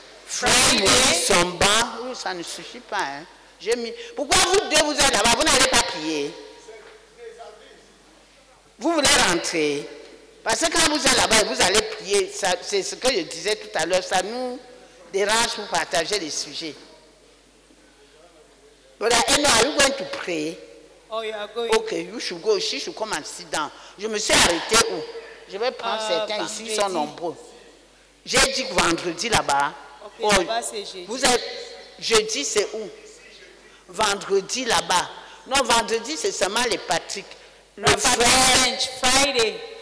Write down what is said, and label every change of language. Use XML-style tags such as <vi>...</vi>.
<fr>Friday. Son banc. Oh, ça ne suffit pas. Hein. J'ai mis... Pourquoi vous deux vous êtes là-bas? Vous n'allez pas prier. Vous voulez rentrer? Parce que quand vous êtes là-bas et vous allez prier, ça, c'est ce que je disais tout à l'heure, ça nous dérange pour partager les sujets.</fr> <en>But I know, are you going to pray? Oh, you are going. Okay, you should go. She should come and sit down.</en> <fr>Je me suis arrêté où? Je vais prendre certains ici, ils sont nombreux. J'ai dit vendredi là-bas. Okay, là-bas c'est jeudi. Vous êtes. Jeudi c'est où? Vendredi là-bas. Non, vendredi c'est seulement les Patrick. Le frère. Friday.</fr>